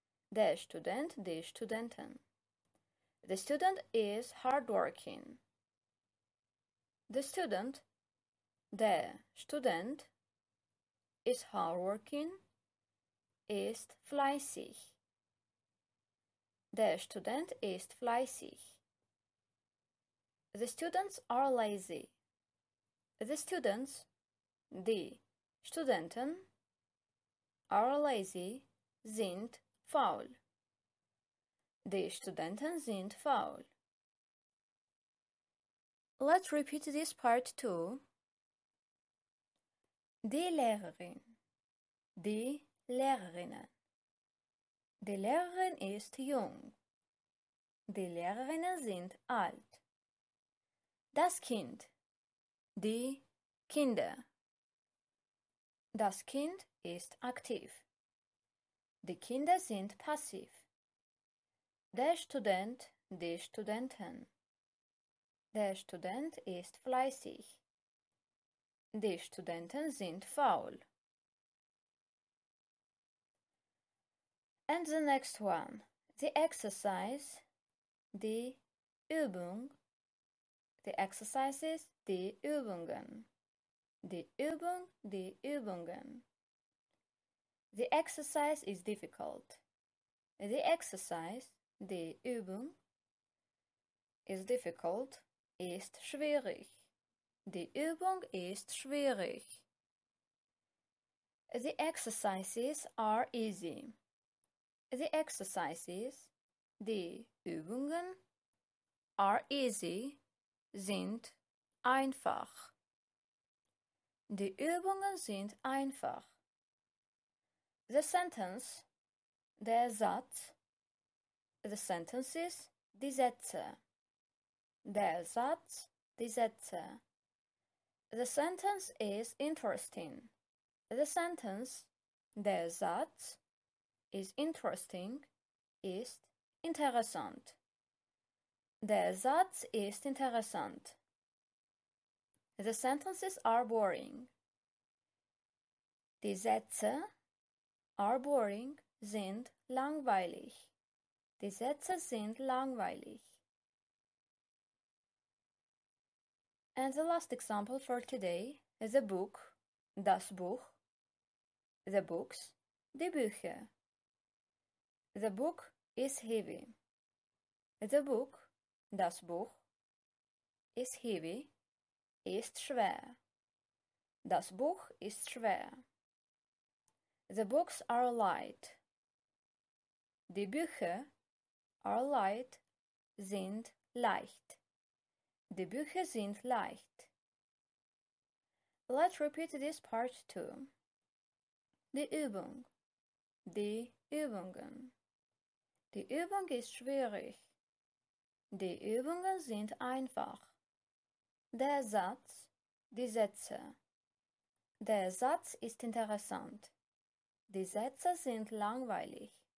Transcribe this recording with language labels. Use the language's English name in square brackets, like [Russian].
[German] Der Student, die Studenten. [English] The student is hardworking. The student, [German] der Student, [English] is hardworking, [German] ist fleißig. Der Student ist fleißig. [English] The students are lazy. The students, [German] die Studenten, [English] are lazy, [German] sind faul. Die Studenten sind faul. [English] Let's repeat this part too. [German] Die Lehrerin. Die Lehrerinnen. Die Lehrerin ist jung. Die Lehrerinnen sind alt. Das Kind. Die Kinder. Das Kind ist aktiv. Die Kinder sind passiv. Der Student, die Studenten. Der Student ist fleißig. Die Studenten sind faul. [English] And the next one. The exercise, [German] die Übung. [English] The exercises, [German] die Übungen. Die Übung, die Übungen. [English] The exercise is difficult. The exercise, [German] die Übung, [English] is difficult, [German] ist schwierig. Die Übung ist schwierig. [English] The exercises are easy. The exercises, [German] die Übungen, [English] are easy, [German] sind einfach. Die Übungen sind einfach. [English] The sentence, [German] der Satz. [English] The sentences, [German] die Sätze. Der Satz, die Sätze. [English] The sentence is interesting. The sentence, [German] der Satz, [English] is interesting, [German] ist interessant. Der Satz ist interessant. [English] The sentences are boring. [German] Die Sätze [English] are boring, [German] sind langweilig. Die Sätze sind langweilig. [English] And the last example for today, the book, [German] das Buch, [English] the books, [German] die Bücher. [English] The book is heavy. The book, [German] das Buch, [English] is heavy, [German] ist schwer. Das Buch ist schwer. [English] The books are light. [German] Die Bücher [English] are light, [German] sind leicht. Die Bücher sind leicht. [English] Let's repeat this part too. [German] Die Übung. Die Übungen. Die Übung ist schwierig. Die Übungen sind einfach. Der Satz. Die Sätze. Der Satz ist interessant. Die Sätze sind langweilig.